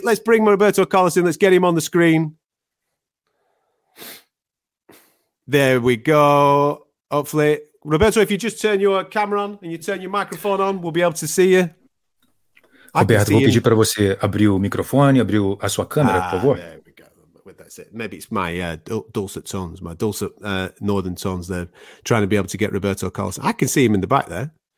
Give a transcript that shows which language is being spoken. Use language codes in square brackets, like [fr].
[en] Let's bring Roberto Carlos in. Let's get him on the screen. There we go. Hopefully, Roberto, if you just turn your camera on and you turn your microphone on, we'll be able to see you. [pt] Roberto, vou pedir para você abrir o microfone, abrir a sua câmera, por favor. [en] There we go. That's it. Maybe it's my dulcet tones, my dulcet northern tones there, trying to be able to get Roberto Carlos. I can see him in the back there.